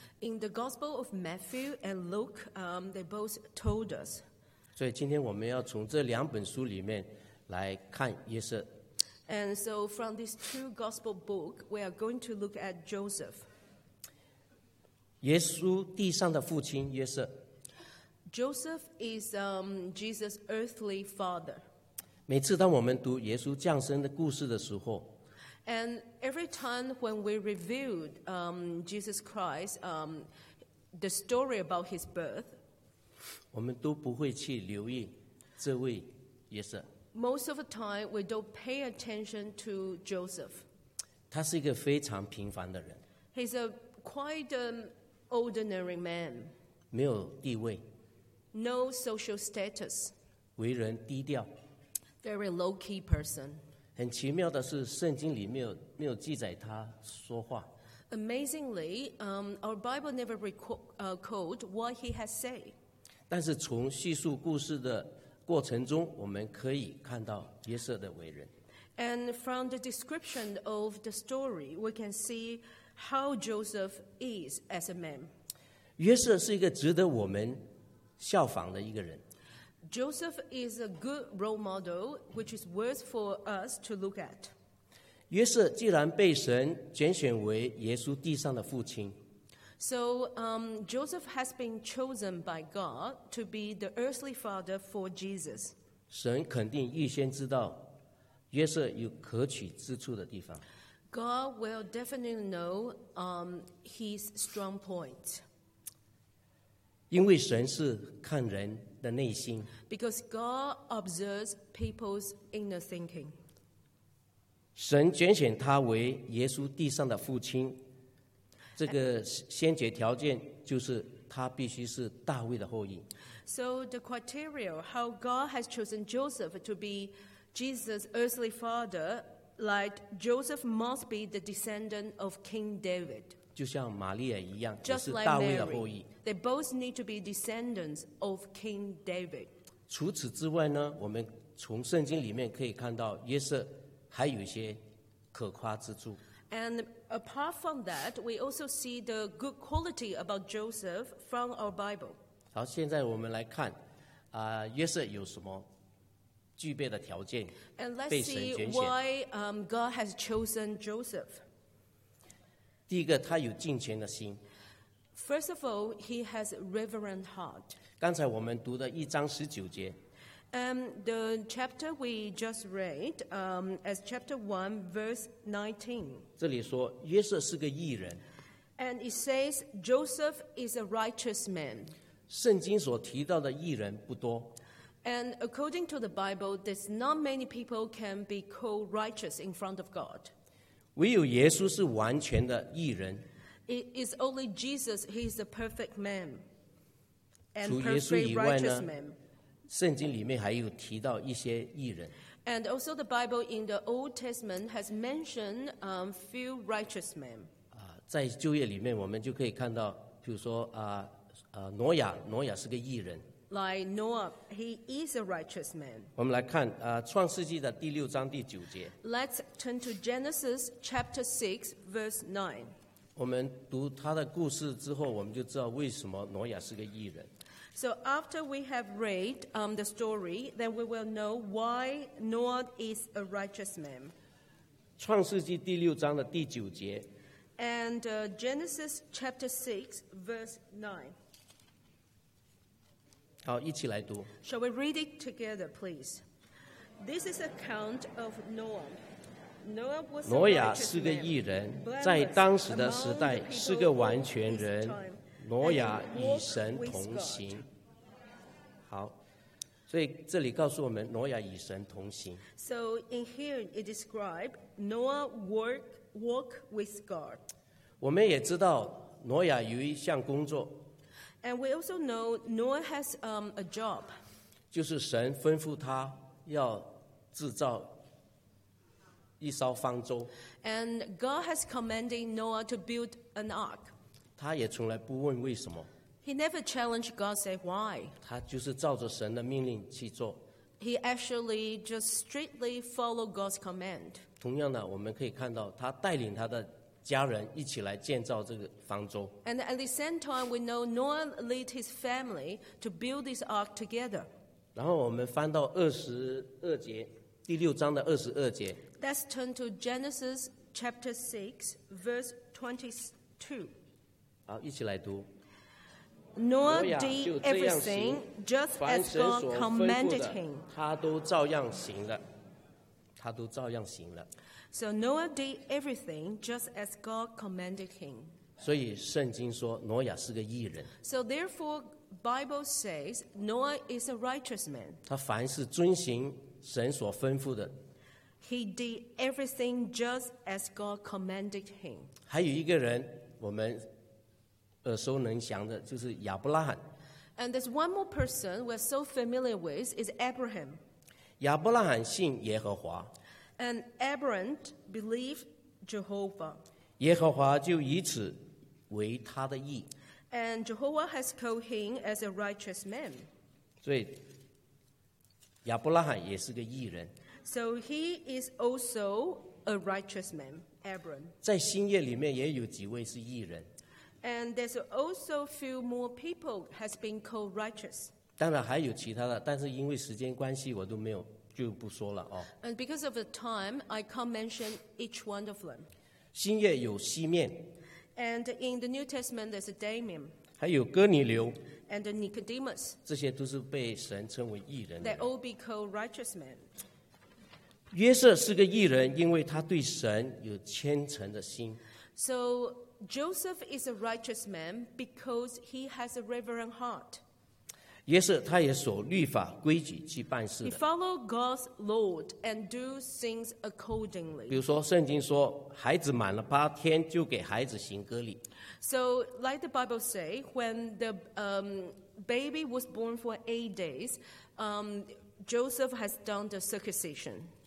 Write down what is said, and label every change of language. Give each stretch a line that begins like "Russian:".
English: In the Gospel of Matthew and Luke, they both told us.
Chinese: 所以今天我们要从这两本书里面来看约瑟。
English: And so from these two Gospel books, we are going to look at Joseph.
Chinese: 耶稣地上的父亲约瑟。
English: Joseph is Jesus' earthly father.
Chinese: 每次当我们读耶稣降生的故事的时候。
English: And every time when we reviewed Jesus Christ, the story about his birth,
Chinese: 我们都不会去留意这位约瑟。
English: Most of the time, we don't pay attention to Joseph.
Chinese: 他是一个非常平凡的人。
English: He's a quite an ordinary man.
Chinese: 没有地位。
English: No social status.
Chinese: 为人低调。
English: Very low-key person.
Chinese: 很奇妙的是，圣经里没有记载他说话。
English: Amazingly, our Bible never record what he has said.
Chinese: 但是从叙述故事的过程中，我们可以看到约瑟的为人。
English: And from the description of the story, we can see how Joseph is as a man.
Chinese: 约瑟是一个值得我们效仿的一个人。
English: Joseph is a good role model, which is worth for us to look at.
Chinese: 约瑟既然被神拣选为耶稣地上的父亲。
English: So, Joseph has been chosen by God to be the earthly father for Jesus.
Chinese: 神肯定预先知道约瑟有可取之处的地方。
English: God will definitely know his strong points.
Chinese: 因为神是看人的内心。
English: Because God observes people's inner thinking.
Chinese: 神拣选他为耶稣地上的父亲，这个先决条件就是他必须是大卫的后裔。
English: So the criteria how God has chosen Joseph to be Jesus' earthly father like Joseph must be the descendant of King David.
Chinese: 就像玛利亚一样，也是大卫的后裔。
English: They both need to be descendants of King David.
Chinese: 除此之外呢，我们从圣经里面可以看到约瑟还有一些可夸之处。
English: And apart from that, we also see the good quality about Joseph from our Bible.
Chinese: 好，现在我们来看，约瑟有什么具备的条件被神拣选。
English: And let's see why God has chosen Joseph.
Chinese: 第一个，他有敬虔的心。
English: First of all, he has a reverent heart.
Chinese: 刚才我们读的一章十九节。
English: The chapter we just read, as chapter 1, verse 19.
Chinese: 这里说约瑟是个义人。
English: And it says Joseph is a righteous man.
Chinese: 圣经所提到的义人不多。
English: And according to the Bible, there's not many people can be called righteous in front of God.
Chinese: 唯有耶稣是完全的义人。
English: It is only Jesus, he is a perfect man. And
Chinese: 除耶稣以外呢？
English: Perfect righteous man.
Chinese: 圣经里面还有提到一些义人。
English: And also the Bible in the Old Testament has mentioned few righteous men.
Chinese: 在旧约里面我们就可以看到，比如说挪亚，挪亚是个义人。
English: Like Noah, he is a righteous man.
Chinese: 我们来看创世纪的第六章第九节。
English: Let's turn to Genesis chapter 6, verse 9.
Chinese: 我们读他的故事之后，我们就知道为什么挪亚是个义人。
English: So after we have read the story, then we will know why Noah is a righteous man.
Chinese: 创世纪第六章的第九节。
English: And Genesis chapter 6, verse 9.
Chinese: 好，一起来读。
English: Shall we read it together, please? This is account of Noah. Noah was
Chinese: 挪亚是个义人，在当时的时代是个完全人。挪亚与神同行。好，所以这里告诉我们挪亚与神同行。
English: So in here it describes Noah walk with God.
Chinese: 我们也知道挪亚有一项工作。
English: And we also know Noah has a job.
Chinese: 就是神吩咐他要制造一艘方舟。
English: And God has commanded Noah to build an ark.
Chinese: 他也从来不问为什么。
English: He never challenged God, say why.
Chinese: 他就是照着神的命令去做。
English: He actually just strictly followed God's command.
Chinese: 同样的，我们可以看到他带领他的家人一起来建造这个方舟。
English: And at the same time, we know Noah led his family to build this ark together.
Chinese: 然后我们翻到二十二节，第六章的二十二节。
English: Let's turn to Genesis chapter 6, verse 22.
Chinese: 好，一起来读。
English: Noah did everything just as God commanded him.
Chinese: 他都照样行了，他都照样行了。
English: So Noah did everything just as God commanded him.
Chinese: 所以圣经说挪亚是个义人。
English: So therefore, Bible says Noah is a righteous man.
Chinese: 他凡事遵行神所吩咐的。
English: He did everything just as God commanded him.
Chinese: 还有一个人，我们。耳熟能详的就是亚伯拉罕。
English: And there's one more person we're so familiar with is Abraham.
Chinese: 亚伯拉罕信耶和华。
English: And Abraham believed Jehovah.
Chinese: 耶和华就以此为他的义。
English: And Jehovah has called him as a righteous man.
Chinese: 所以亚伯拉罕也是个义人。
English: So he is also a righteous man, Abraham.
Chinese: 在新约里面也有几位是义人。
English: And there's also a few more people has been called righteous.
Chinese: 当然还有其他的，但是因为时间关系，我都没有就不说了哦。
English: And because of the time, I can't mention each one of them.
Chinese: 新约有西面。
English: And in the New Testament, there's a Damian.
Chinese: 还有哥尼流。
English: And Nicodemus.
Chinese: 这些都是被神称为义人的人。
English: They all be called righteous men.
Chinese: 约瑟是个义人，因为他对神有虔诚的心。
English: So. Joseph is a righteous man because he has a reverent heart.
Chinese: 约瑟他也守律法规矩去办事的。
English: He followed God's law and do things accordingly.
Chinese: 比如说圣经说孩子满了八天就给孩子行割礼。
English: So like the Bible say, when the baby was born for 8 days, Joseph has done the circumcision.